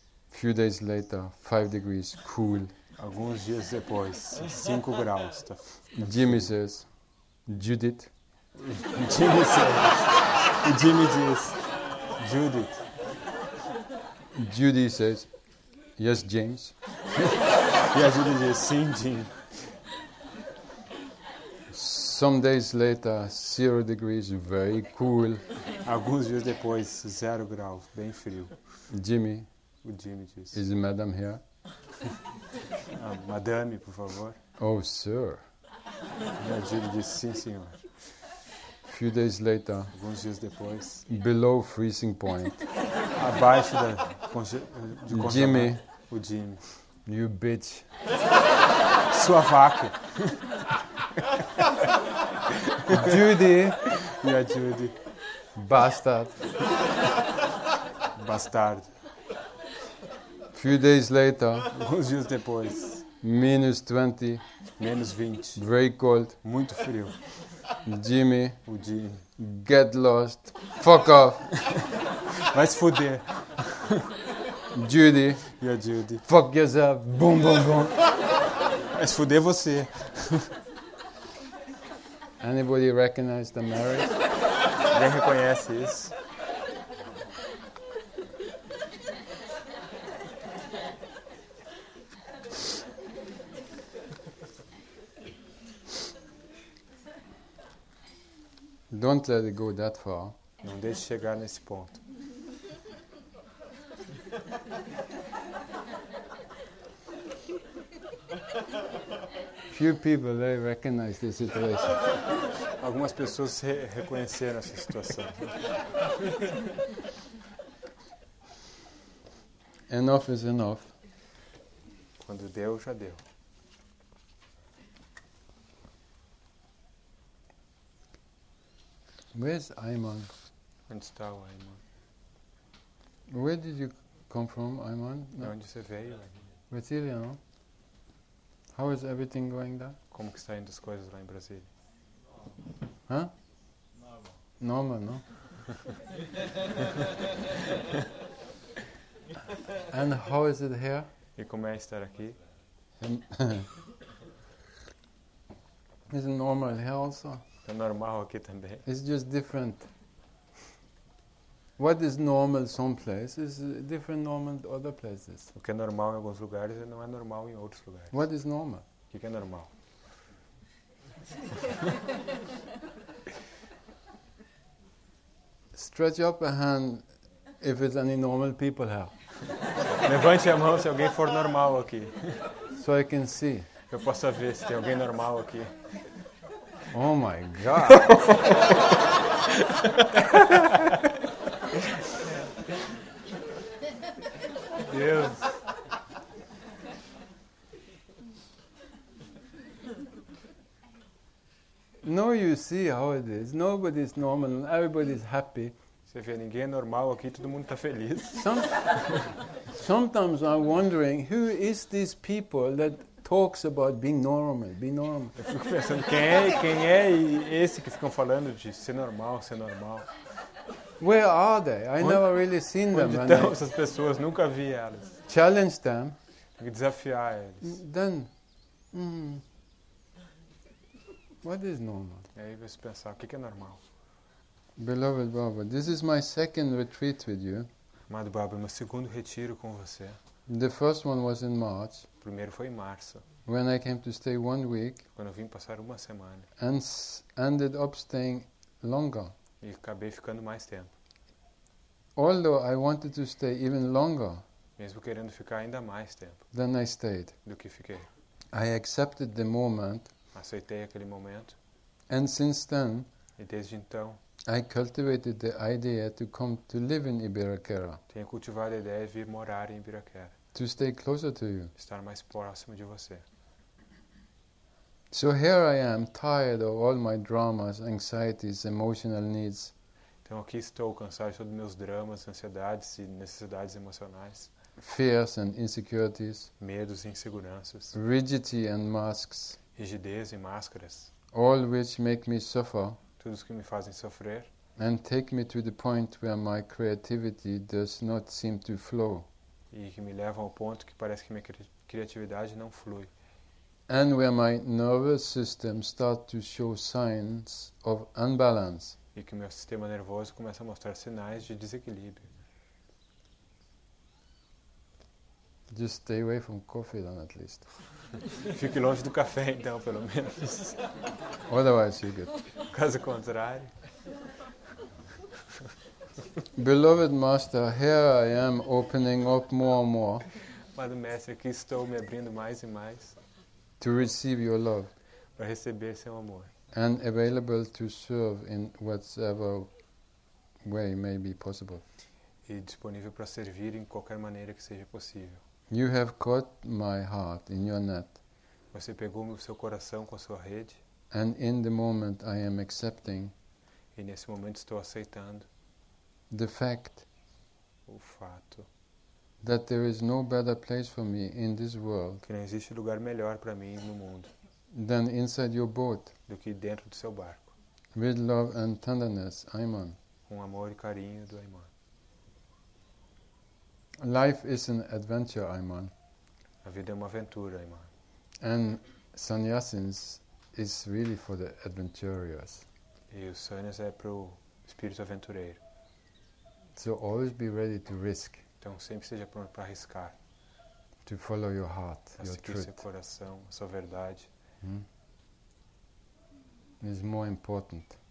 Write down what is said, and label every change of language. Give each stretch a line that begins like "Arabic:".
English: Few days later, 5 degrees, cool.
Portuguese: Alguns dias depois, 5 graus. Tá,
English: Jimmy frio. Says, Judith. Jimmy says,
Portuguese: Jimmy diz,
English: Judith. Judy says, yes, James.
Portuguese: E a Judy diz, sim, Jim.
English: Some days later, 0 degrees, very cool.
Portuguese: Alguns dias depois, 0 graus, bem frio.
English: Jimmy.
Portuguese: O Jimmy diz.
English: Is madame here?
Portuguese: Madame, por favor.
English: Oh, sir.
Portuguese: E a Jimmy diz, sim, senhor.
English: Few days later.
Portuguese: Alguns dias depois.
English: Below freezing point.
Portuguese: Abaixo da congelamento.
English: Jimmy.
Portuguese: O Jimmy.
English: You bitch.
Portuguese: Sua vaca.
English: Judy,
Portuguese: E a Judy.
English: Bastard. Bastard. Few days later,
Portuguese: Uns dias depois.
English: minus 20,
Portuguese: Menos 20.
English: very cold.
Portuguese: Muito frio.
English: Jimmy,
Portuguese: O Jimmy.
English: get lost. Fuck off.
Portuguese: Vai se fuder.
English: Judy,
Portuguese: E a Judy.
English: fuck yourself. Boom, boom, boom.
Portuguese: Vai se fuder você.
English: Anybody recognize the marriage?
Portuguese: Ninguém reconhece isso.
English: Don't let it go that far.
Portuguese: Não deixe chegar nesse ponto.
English: Few people they recognize the situation.
Portuguese: Algumas pessoas reconheceram essa situação.
English: Enough is enough.
Portuguese: Quando deu, já deu.
English: Where's Ayman?
Portuguese: Onde está o Ayman?
English: Where did you come from, Ayman?
Portuguese: De onde você veio, Ayman? Brasília, não?
English: How is everything going there?
Portuguese: Como que está indo as coisas lá em Brasília? Hã?
English: Normal.
Portuguese: Normal, não?
English: And how is it here?
Portuguese: E como é estar aqui?
English: Is it normal here also?
Portuguese: É normal aqui também.
English: It's just different. What is normal some places is different normal other places.
Portuguese: O que é normal em alguns lugares não é normal em outros lugares.
English: What is normal?
Portuguese: O que é normal?
English: Stretch up a hand if it's any normal people here.
Portuguese: Levante a mão se alguém for normal aqui.
English: So I can see.
Portuguese: Eu posso ver se tem alguém normal aqui.
English: Oh my God.
Portuguese: Deus.
English: No, you see how it is. Nobody is normal. Everybody is happy.
Portuguese: Você vê, ninguém é normal aqui, todo mundo está feliz.
English: Sometimes I'm wondering who is these people that talks about being normal, be normal.
Portuguese: Eu fico pensando quem é esse que ficam falando de ser normal, ser normal.
English: Where are they? I never really seen them.
Portuguese: Onde estão essas pessoas? Nunca vi elas.
English: Challenge them.
Portuguese: Tem que desafiar eles.
English: Then, what is normal?
Portuguese: E aí você pensar, o que é normal?
English: Beloved Baba, this is my second retreat with you.
Portuguese: Amado Baba, meu segundo retiro com você.
English: The first one was in March.
Portuguese: O primeiro foi em março.
English: When I came to stay 1 week.
Portuguese: Quando eu vim passar uma semana.
English: And ended up staying longer.
Portuguese: E acabei ficando mais tempo.
English: Although I wanted to stay even longer.
Portuguese: Mesmo querendo ficar ainda mais tempo.
English: Than I stayed.
Portuguese: Do que fiquei.
English: I accepted the moment.
Portuguese: Aceitei aquele momento.
English: And since then.
Portuguese: E desde então.
English: I cultivated the idea to come to live in Ibirakera.
Portuguese: Tenho cultivado a ideia de vir morar em Ibirakera.
English: To stay closer to you.
Portuguese: Estar mais próximo de você.
English: So here I am, tired of all my dramas, anxieties, emotional needs.
Portuguese: Então aqui estou cansado de todos meus dramas, ansiedades e necessidades emocionais.
English: Fears and insecurities.
Portuguese: Medos e inseguranças.
English: Rigidity and masks.
Portuguese: Rigidez e máscaras.
English: All which make me suffer.
Portuguese: Todos que me fazem sofrer.
English: And take me to the point where my creativity does not seem to flow.
Portuguese: E que me levam ao ponto que parece que minha criatividade não flui.
English: And where my nervous system starts to show signs of unbalance.
Portuguese: E que meu sistema nervoso começa a mostrar sinais de desequilíbrio.
English: Just stay away from coffee then at least.
Portuguese: Fique longe do café então, pelo menos.
English: Otherwise you get.
Portuguese: Caso contrário.
English: Beloved Master, here I am opening up more and more.
Portuguese: Amado Mestre, aqui estou me abrindo mais e mais.
English: To receive your love.
Portuguese: Para receber seu amor.
English: And available to serve in whatever way may be possible.
Portuguese: E disponível para servir em qualquer maneira que seja possível.
English: You have caught my heart in your net.
Portuguese: Você pegou o seu coração com a sua rede.
English: And in the moment I am accepting.
Portuguese: E nesse momento estou aceitando
English: the fact
Portuguese: o fato
English: that there is no better place for me in this world
Portuguese: que não existe lugar melhor para mim no mundo
English: than inside your boat.
Portuguese: Do que dentro do seu barco.
English: With love and tenderness, Ayman.
Portuguese: Com amor e carinho do Ayman.
English: Life is an adventure, Ayman.
Portuguese: A vida é uma aventura, Ayman.
English: And sannyasins is really for the adventurers.
Portuguese: E o sannyas é para o espírito aventureiro.
English: So always be ready to risk.
Portuguese: Então sempre seja pronto para arriscar.
English: To follow your heart,
Portuguese: a
English: your truth.
Portuguese: A seguir seu coração, a sua verdade.
English: Is more important.